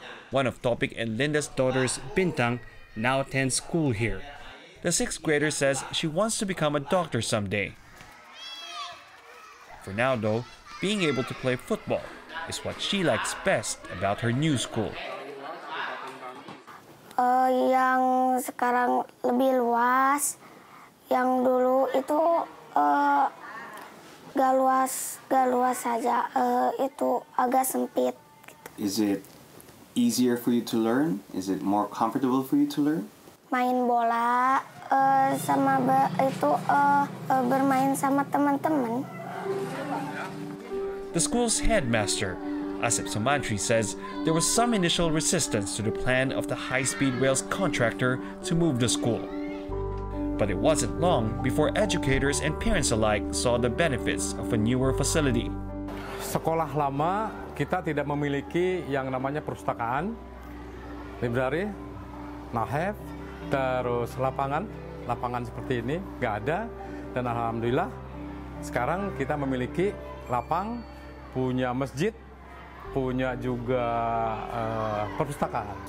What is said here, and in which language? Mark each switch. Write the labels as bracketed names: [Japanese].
[English] One of Topic and Linda's daughters, Bintang, now attends school here. The sixth grader says she wants to become a doctor someday. For now, though, being able to play football is what she likes best about her new school. [Indonesian] Yang sekarang lebih luas, yang dulu itu gak luas saja, itu agak sempit. [English] Is it easier for you to learn? Is it more comfortable for you to learn? [Indonesian] Main bola sama bermain sama teman-teman. [English] The school's headmaster, Asep Somantri, says there was some initial resistance to the plan of the high-speed rail's contractor to move the school. But it wasn't long before educators and parents alike saw the benefits of a newer facility. [Indonesian] Sekolah lama kita tidak memiliki yang namanya perpustakaan, library, nahev, terus lapangan seperti ini nggak ada, dan alhamdulillah sekarang kita memiliki lapang, punya masjid, punya juga perpustakaan.